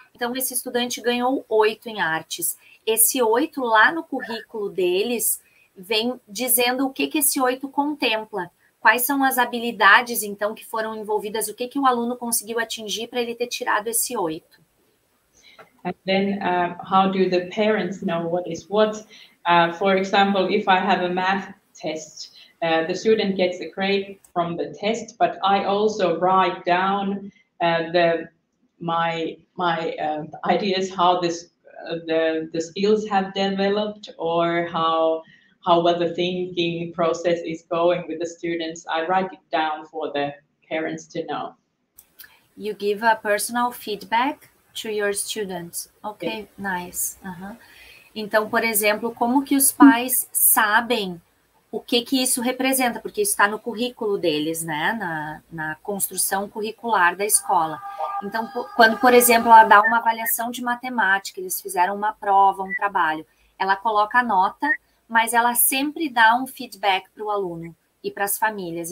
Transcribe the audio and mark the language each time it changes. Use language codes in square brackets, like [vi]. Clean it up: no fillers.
[pt] Então, esse estudante ganhou 8 em artes. Esse 8 lá no currículo deles vem dizendo o que esse 8 contempla, quais são as habilidades, então, que foram envolvidas, o que o aluno conseguiu atingir para ele ter tirado esse 8. [en] And then how do the parents know what is what? For example, if I have a math test, the student gets a grade from the test, but I also write down my ideas, how this the skills have developed or how well the thinking process is going with the students. I write it down for the parents to know. You give a personal feedback to your students. Okay, nice. [pt] Então, por exemplo, como que os pais sabem o que isso representa? Porque isso está no currículo deles, né? Na construção curricular da escola. Então, quando, por exemplo, ela dá uma avaliação de matemática, eles fizeram uma prova, um trabalho, ela coloca a nota, mas ela sempre dá um feedback para o aluno e para as famílias.